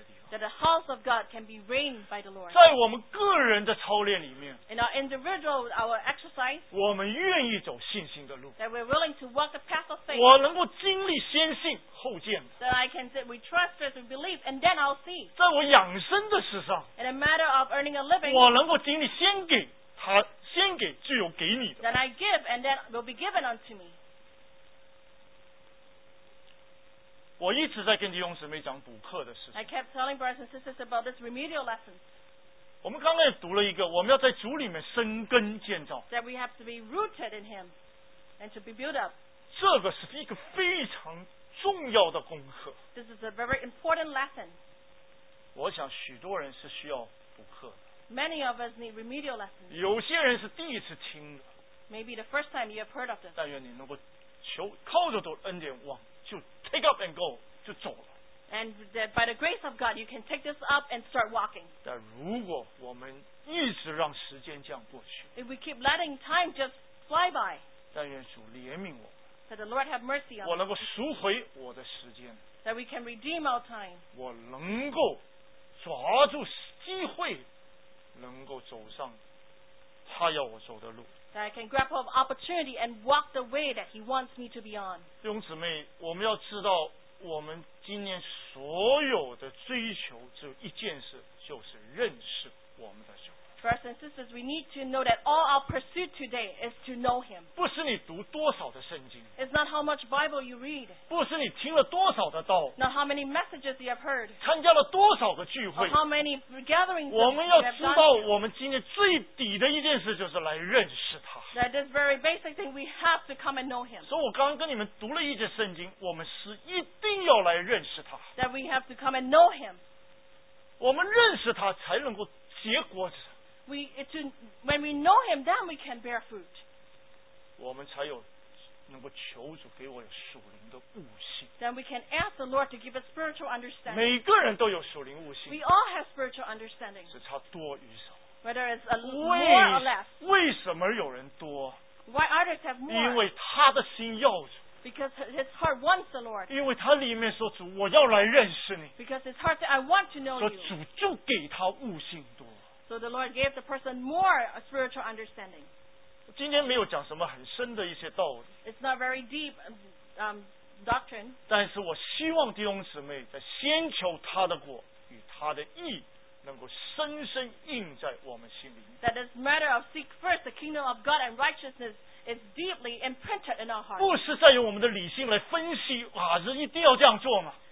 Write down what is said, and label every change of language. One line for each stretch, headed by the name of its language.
English: That the house of God can be reigned by the Lord.
Chinese: 在我们个人的操练里面，
English: in our individual our exercise,
Chinese: 我们愿意走信心的路，
English: that we're willing to walk the path of faith.
Chinese: 我能够经历先信后见，
English: that I can say we trust first, we believe, and then I'll see.
Chinese: 在我养生的事上，
English: in a matter of earning a living,
Chinese: 我能够经历先给他，先给就有给你的，
English: that I give and then will be given unto me.
Chinese: 我一直在跟弟兄姊妹讲补课的事情。
English: I kept telling brothers and sisters about this remedial lesson.
Chinese: 我们刚才读了一个，我们要在主里面生根建造。
English: That we have to be rooted in Him and to be built up.
Chinese: 这个是一个非常重要的功课。
English: This is a very important lesson.
Chinese: 我想许多人是需要补课的。
English: Many of us need remedial lessons.
Chinese: 有些人是第一次听的。
English: Maybe the first time you have heard of this.
Chinese: 但愿你能够求靠着主恩典往就。
English: Take up and go,
Chinese: 就走了。
English: And that by the grace of God, you can take this up and start walking.
Chinese: 但如果我们一直让时间这样过去，
English: if we keep letting time just fly by,
Chinese: 但愿主怜悯我。
English: That the Lord have mercy on us.
Chinese: 我能够赎回我的时间。
English: That we can redeem our time.
Chinese: 我能够抓住机会，能够走上他要我走的路。
English: That I can grab hold of opportunity and walk the way that He wants me to be on.
Chinese: 弟兄姊妹，我们要知道，我们今年所有的追求只有一件事，就是认识我们的主。
English: Brothers and sisters, we need to know that all our pursuit today is to know Him.
Chinese: 不是你读多少的圣经。
English: It's not how much Bible you read.
Chinese: 不是你听了多少的道。
English: Not how many messages you have heard.
Chinese: 参加了多少个聚会。
English: Or how many gatherings you have done.
Chinese: 我们要知道，我们今天最底的一件事就是来认识他。
English: That is very basic thing. We have to come and know Him.
Chinese: 所以我刚刚跟你们读了一节圣经，我们是一定要来认识他。
English: That we have to come and know Him.
Chinese: 我们认识他才能够结果子。
English: When we know Him, then we can bear fruit.
Chinese: 我们才有能够求主给我有属灵的悟性。
English: Then we can ask the Lord to give us spiritual understanding.
Chinese: 每个人都有属灵悟性。
English: We all have spiritual understanding.
Chinese: 只差多与少。
English: Whether it's a more or less.
Chinese: 为什么有人多？
English: Why others have more?
Chinese: 因为他的心要主。
English: Because his heart wants the Lord.
Chinese: 因为他里面说主，我要来认识你。
English: Because his heart said, I want to know you.
Chinese: 说主就给他悟性多。
English: So the Lord gave the person more a spiritual understanding.
Chinese: 今天没有讲什么很深的一些道理。
English: It's not very deep doctrine.
Chinese: 但是我希望弟兄姊妹在先求他的果与他的义能够深深印在我们心里。
English: That is matter of seek first the kingdom of God and righteousness is deeply imprinted in our hearts.
Chinese: 不是在用我们的理性来分析啊，是一定要这样做吗？